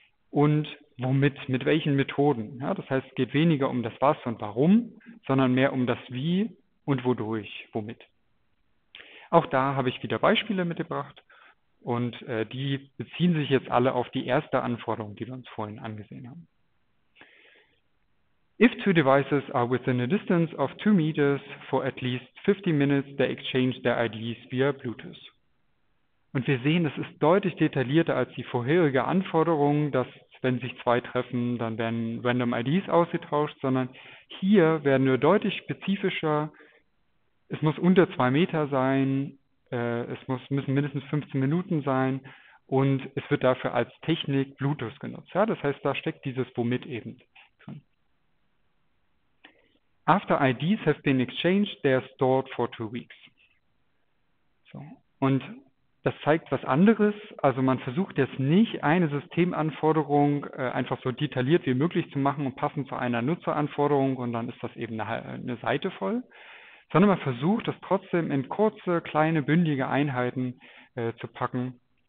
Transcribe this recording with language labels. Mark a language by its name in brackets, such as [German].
[German] Und womit, mit welchen Methoden? Ja, das heißt, es geht weniger um das Was und Warum, sondern mehr um das Wie und wodurch, womit. Auch da habe ich wieder Beispiele mitgebracht und die beziehen sich jetzt alle auf die erste Anforderung, die wir uns vorhin angesehen haben. [English] If two devices are within a distance of 2 meters for at least 50 minutes, they exchange their IDs via Bluetooth. [German] Und wir sehen, das ist deutlich detaillierter als die vorherige Anforderung, dass wenn sich zwei treffen, dann werden Random IDs ausgetauscht, sondern hier werden wir deutlich spezifischer. Es muss unter 2 Meter sein, müssen mindestens 15 Minuten sein und es wird dafür als Technik Bluetooth genutzt. Ja, das heißt, da steckt dieses Womit eben. [English] After IDs have been exchanged, they are stored for 2 weeks. [German] So. Und das zeigt was anderes. Also man versucht jetzt nicht, eine Systemanforderung einfach so detailliert wie möglich zu machen und passend zu einer Nutzeranforderung und dann ist das eben eine Seite voll, sondern man versucht, das trotzdem in kurze, kleine, bündige Einheiten zu packen.